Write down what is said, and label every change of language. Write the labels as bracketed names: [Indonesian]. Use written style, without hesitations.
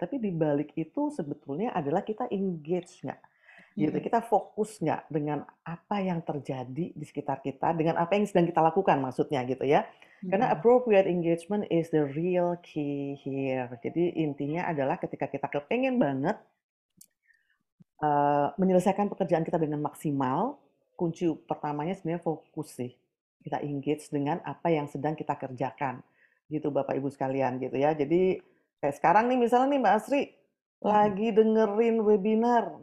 [Indonesian] Tapi di balik itu sebetulnya adalah kita engage nggak, gitu. Kita fokus nggak dengan apa yang terjadi di sekitar kita, dengan apa yang sedang kita lakukan, maksudnya gitu ya. Karena [English] appropriate engagement is the real key here. [Indonesian] Jadi intinya adalah ketika kita kepengen banget menyelesaikan pekerjaan kita dengan maksimal, kunci pertamanya sebenarnya fokus sih. Kita engage dengan apa yang sedang kita kerjakan. Gitu Bapak Ibu sekalian gitu ya. Jadi kayak sekarang nih misalnya nih Mbak Asri lagi dengerin webinar.